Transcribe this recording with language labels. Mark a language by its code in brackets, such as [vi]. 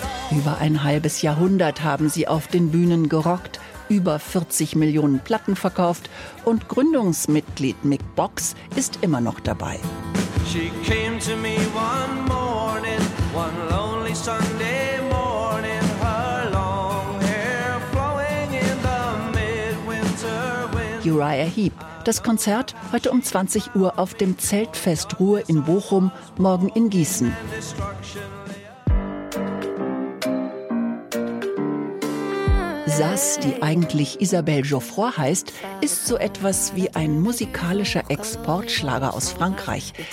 [de] Über ein halbes Jahrhundert haben sie auf den Bühnen gerockt, über 40 Millionen Platten verkauft und Gründungsmitglied Mick Box ist immer noch dabei. [en] She came to me one morning, one lonely Sunday morning, her long hair flowing in the midwinter wind. [de] Uriah Heep, das Konzert heute um 20 Uhr auf dem Zeltfest Ruhr in Bochum, morgen in Gießen. Sass, die eigentlich Isabelle Geoffroy heißt, ist so etwas wie ein musikalischer Exportschlager aus Frankreich.